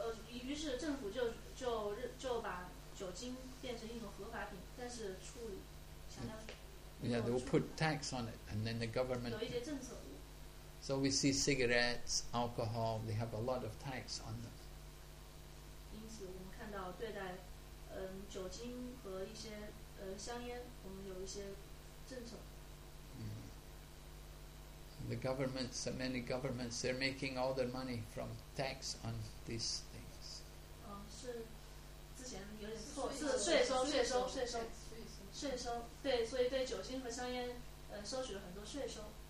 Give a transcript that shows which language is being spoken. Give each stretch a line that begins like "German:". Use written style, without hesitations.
Chinese: 于是政府就把酒精变成一种合法品，但是处理强调。
English: Yeah, they will put tax on it, and then the government.
Chinese: 有一些政策。
English: So we see cigarettes, alcohol, they have a lot of tax on them.
Chinese: 因此，我们看到对待酒精和一些香烟，我们有一些政策。
English: The governments, and many governments, they're making all their money from tax on these things.
Chinese: 是之前有点错，是税收，对，所以对酒精和香烟，收取了很多税收。